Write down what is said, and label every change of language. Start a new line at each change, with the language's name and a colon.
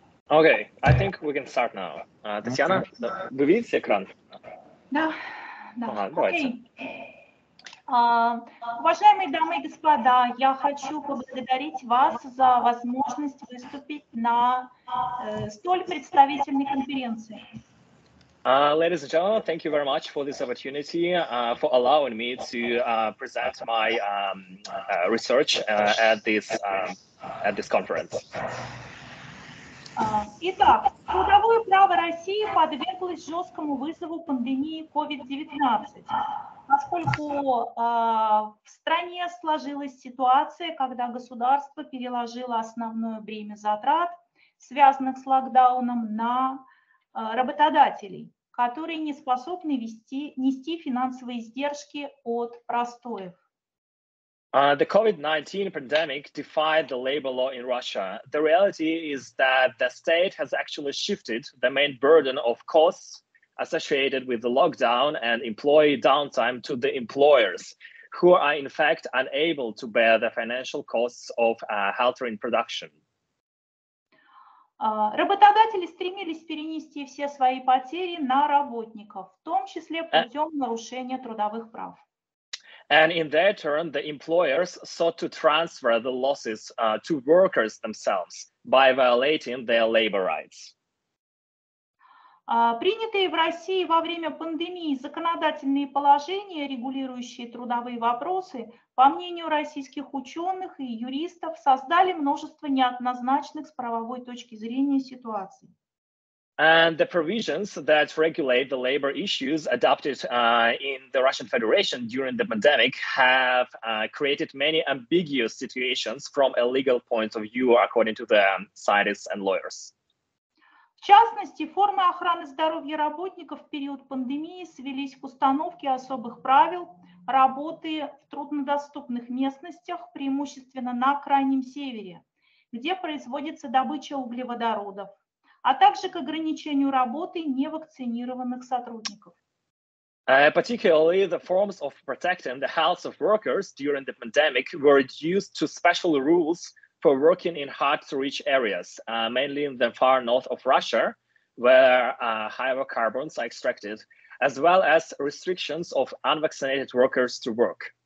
English: Okay, I think we can start now. Tatiana,
Russian: вы видите экран? Да. Уважаемые дамы и господа, я хочу поблагодарить вас за возможность выступить на столь представительной конференции.
English: Ladies and gentlemen, thank you very much for this opportunity, for allowing me to present my research at this conference.
Russian: Итак, трудовое право России подверглось жесткому вызову пандемии COVID-19, поскольку в стране сложилась ситуация, когда государство переложило основное бремя затрат, связанных с локдауном, на работодателей, которые не способны нести финансовые издержки от простоев.
English: The COVID-19 pandemic defied the labor law in Russia. The reality is that the state has actually shifted the main burden of costs associated with the lockdown and employee downtime to the employers, who are in fact unable to bear the financial costs of halting production.
Russian: Работодатели стремились перенести все свои потери на работников, в том числе путем нарушения трудовых прав.
English: And in their turn, the employers sought to transfer the losses to workers themselves by violating their labor rights.
Russian: Принятые в России во время пандемии законодательные положения, регулирующие трудовые вопросы, по мнению российских ученых и юристов, создали множество неоднозначных с правовой точки зрения ситуаций.
English: And the provisions that regulate the labor issues adopted in the Russian Federation during the pandemic have created many ambiguous situations from a legal point of view, according to the scientists and lawyers.
Russian: В частности, формы охраны здоровья работников в период пандемии свелись к установке особых правил работы в труднодоступных местностях, преимущественно на крайнем севере, где производится добыча углеводородов, а также к ограничению работы невакцинированных сотрудников.
English: Particularly the forms of protecting the health of workers during the pandemic were reduced to special rules for working in hard-to-reach areas, mainly in the far north of Russia, where hydrocarbons are extracted, as well as restrictions of unvaccinated workers to work.